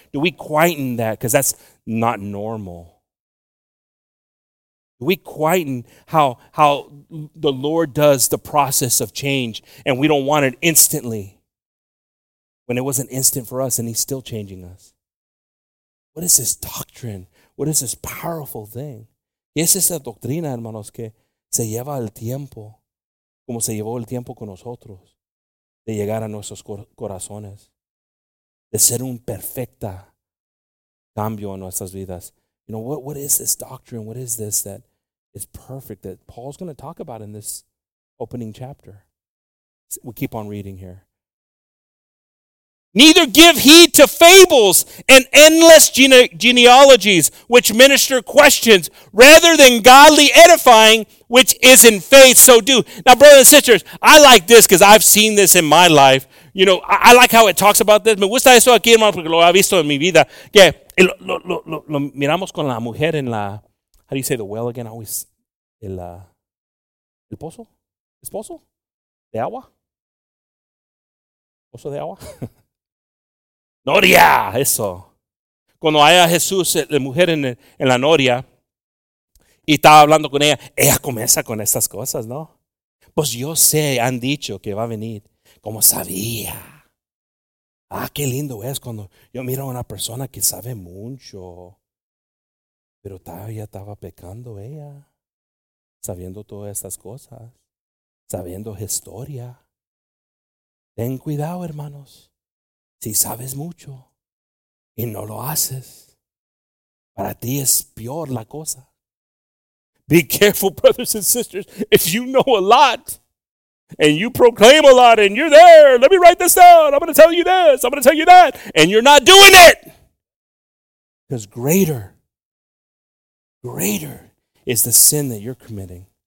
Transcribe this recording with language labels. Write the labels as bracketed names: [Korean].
[English] Do we quieten that? Because that's not normal. We quieten how the Lord does the process of change, and we don't want it instantly when it wasn't instant for us, and he's still changing us. What is this doctrine? What is this powerful thing? [Spanish] ¿Qué es esa doctrina, hermanos, que se lleva el tiempo, como se llevó el tiempo con nosotros, de llegar a nuestros corazones, de ser un perfecta cambio en nuestras vidas? [English] You know, what is this doctrine? What is this that is perfect that Paul's going to talk about in this opening chapter? We keep on reading here. Neither give heed to fables and endless genealogies which minister questions rather than godly edifying which is in faith. So do. Now, brothers and sisters, I like this because I've seen this in my life. You know, I like how it talks about this. [Spanish] Me gusta esto aquí, hermano, porque lo he visto en mi vida. Que lo miramos con la mujer en la, [English] how do you say the well again? [Spanish] Always el pozo? Esposo? De agua? Pozo de agua? Noria! Eso. Cuando haya Jesús, la mujer en la noria, y estaba hablando con ella, ella comienza con estas cosas, ¿no? Pues yo sé, han dicho que va a venir. Como sabía. Ah, qué lindo es cuando yo miro a una persona que sabe mucho. Pero todavía estaba pecando ella. Sabiendo todas estas cosas. Sabiendo historia. Ten cuidado, hermanos. Si sabes mucho y no lo haces, para ti es peor la cosa. [English] Be careful, brothers and sisters, if you know a lot. And you proclaim a lot, and you're there. Let me write this down. I'm going to tell you this. I'm going to tell you that. And you're not doing it. Because greater is the sin that you're committing